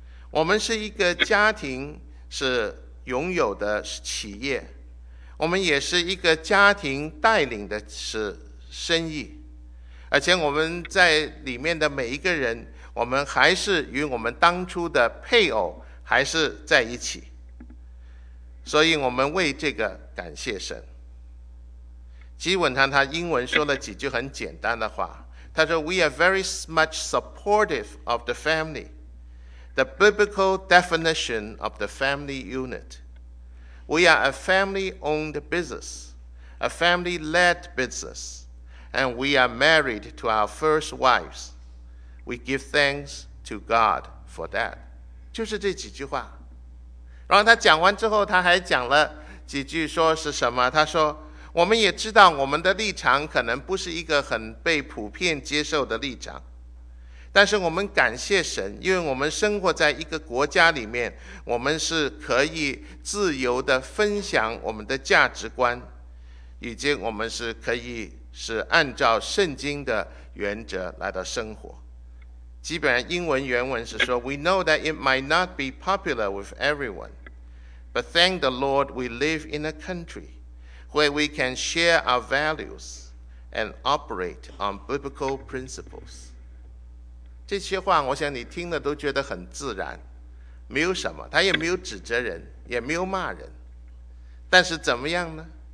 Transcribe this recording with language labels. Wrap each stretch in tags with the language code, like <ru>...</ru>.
<zh>我们是一个家庭是拥有的企业，我们也是一个家庭带领的是生意，而且我们在里面的每一个人，我们还是与我们当初的配偶还是在一起，所以我们为这个感谢神。” 基本上他英文说了几句很简单的话，他说</zh> <en>We are very much supportive of the family, the biblical definition of the family unit. We are a family-owned business, a family-led business, and we are married to our first wives. We give thanks to God for that.</en> <zh>就是这几句话。然后他讲完之后，他还讲了几句说是什么，他说我们也知道我们的立场可能不是一个很被普遍接受的立场，但是我们感谢神，因为我们生活在一个国家里面，我们是可以自由地分享我们的价值观，以及我们是可以是按照圣经的原则来到生活。基本上英文原文是说</zh> <en>We know that it might not be popular with everyone, but thank the Lord we live in a countryWhere we can share our values and operate on biblical principles.</en> <zh>这些话我想你听了都觉得很自然，没有什么，他也没有指责人，也没有骂人。但是怎么样呢？</zh>